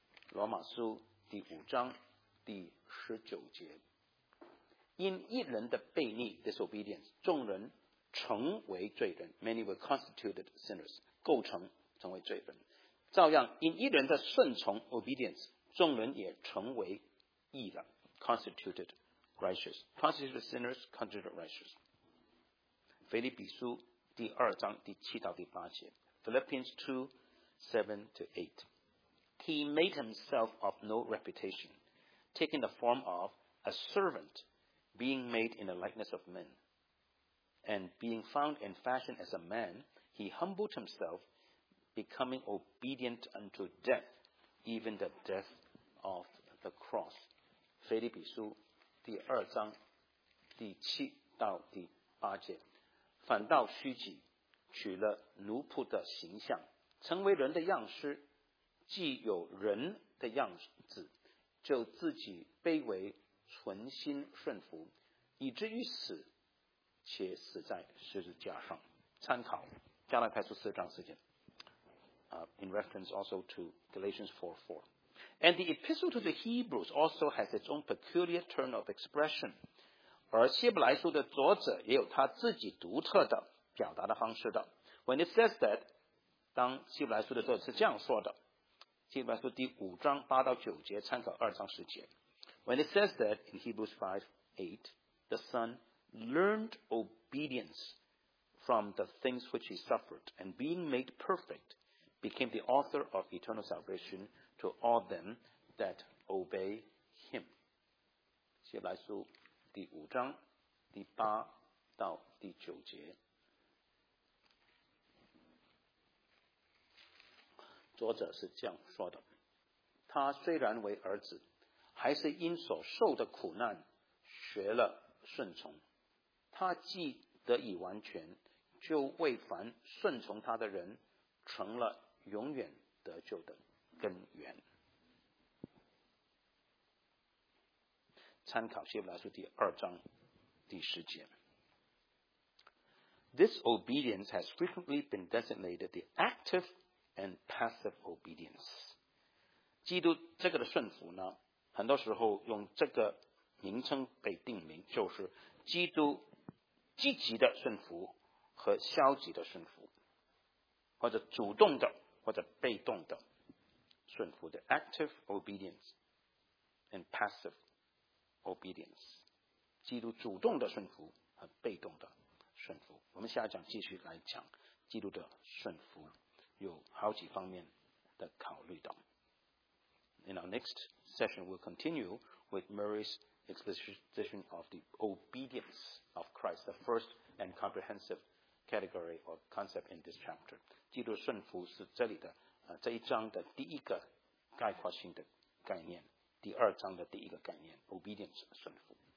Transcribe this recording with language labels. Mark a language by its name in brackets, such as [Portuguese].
[Chinese] 罗马书第五章第十九节。因一人的悖逆 disobedience, 众人成为罪人 [English] many were constituted sinners, [Chinese] 构成为罪人。照样因一人的顺从 obedience, 众人也成为义了 [English] constituted righteous. Constituted sinners, constituted righteous. [Chinese] 腓立比书第二章第七到第八节。 [English] Philippians 2:7-8. He made himself of no reputation, taking the form of a servant, being made in the likeness of men. And being found in fashion as a man, he humbled himself, becoming obedient unto death, even the death of the cross. [Chinese] 腓立比书第二章第七到第八节，反倒虚己，取了奴仆的形象，成为人的样式。既有人的样子，就自己卑微，存心顺服，以至于死，且死在十字架上。参考加拉太书四章四节。 [English] In reference also to Galatians 4:4, and the epistle to the Hebrews also has its own peculiar turn of expression. [Chinese] 而希伯来书的作者也有他自己独特的表达的方式的。 [English] When it says that, [Chinese] 当希伯来书的作者是这样说的。希伯来书第五章八到九节，参考二章十节。 [English] When it says that in Hebrews 5:8, the Son learned obedience from the things which he suffered, and being made perfect, became the author of eternal salvation to all them that obey him. [Chinese] 希伯来书第五章第八到第九节。作者是这样说的，他虽然为儿子，还是因所受的苦难学了顺从。他既得以完全，就为凡顺从他的人成了永远得救的根源。参考希伯来书第二章第十节。 [English] This obedience has frequently been designated the active and passive obedience. [Chinese] 基督这个的顺服呢，很多时候用这个名称被定名，就是基督积极的顺服和消极的顺服，或者主动的或者被动的顺服的 [English] active obedience and passive obedience. [Chinese] 基督主动的顺服和被动的顺服，我们下一讲继续来讲基督的顺服。有好几方面的考虑到。 [English] In our next session, we'll continue with Murray's exposition of the obedience of Christ, the first and comprehensive category or concept in this chapter. [Chinese] 基督顺服是这里的这一章的第一个概括性的概念，第二章的第一个概念 ，obedience 顺服。